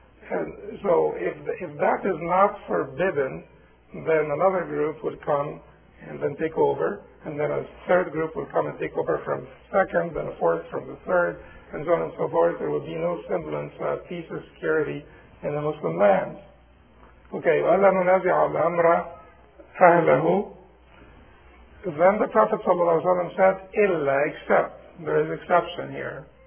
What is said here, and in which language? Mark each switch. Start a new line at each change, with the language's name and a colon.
English: And so if that is not forbidden, then another group would come and then take over, and then a third group would come and take over from second, then a fourth from the third, and so on and so forth. There would be no semblance of peace or security in the Muslim land.
Arabic: Okay, وَأَلَّا نُنَزِعَ الْأَمْرَ أَهْلَهُ.
English: Then the Prophet ﷺ said, إِلَّا, except, there is exception here.